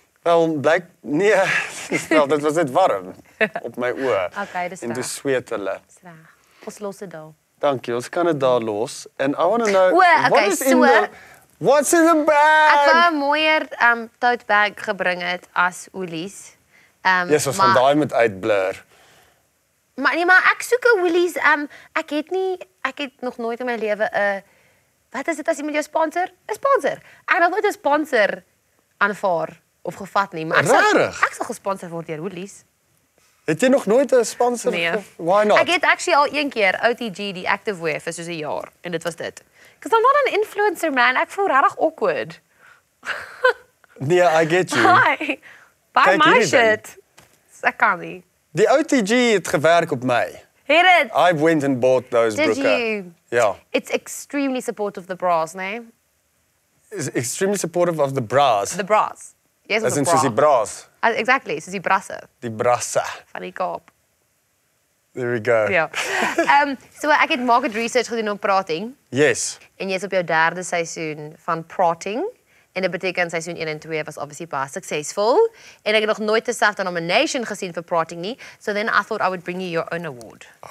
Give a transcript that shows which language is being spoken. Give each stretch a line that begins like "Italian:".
Afrikaans: Wel, blyk, nee, stel, dit was net warm op my oë. Okay, dis en toe sweet hulle. Sreg. Ons los dit daar. Dankie, ons kan dit daar los. En
English: I want to know, oe, okay, what is so, in the, what's in the bag?
Afrikaans: Ek wou 'n mooier tote bag gebring het as Woolies. Yes, ons van daai met uitblur. Maar nee, maar ek soek 'n Woolies. Ek het nie, ek het nog nooit in my lewe 'n, wat is dit as jy met jou sponsor? Een sponsor. Ek wil nooit 'n sponsor aanvaar. Of gevat nie, maar ek sal gesponsor word deur Woolies. Het jy nog nooit 'n sponsor? Nee.
English: Why not?
Afrikaans: Ek het actually al een keer OTG die activewear vir soos 'n jaar en dit was dit.
English: Because I'm not an influencer man,
Afrikaans: ek voel regtig awkward.
English: Nee, I get you. Hi. Buy my shit.
Afrikaans: Ek kan nie. Die OTG het gewerk op my. Het dit?
English: I went and bought those broeke. Did you?
Afrikaans: Ja.
English: It's extremely supportive of the bras, nee? It's extremely supportive of the bras. The bras. Yes,
Afrikaans: as in soos die bras. Exactly, soos die brasse. Die brasse. Van die kaap.
English: There we go.
Afrikaans: Ja. So ek het market research gedoen op Prating.
English: Yes.
Afrikaans: En jy is op jou derde seisoen van Prating. En dit beteken seisoen 1 en 2 was obviously baie successful. En ek het nog nooit dieselfde nomination gesien vir Prating nie.
English: So then I thought I would bring you your own award.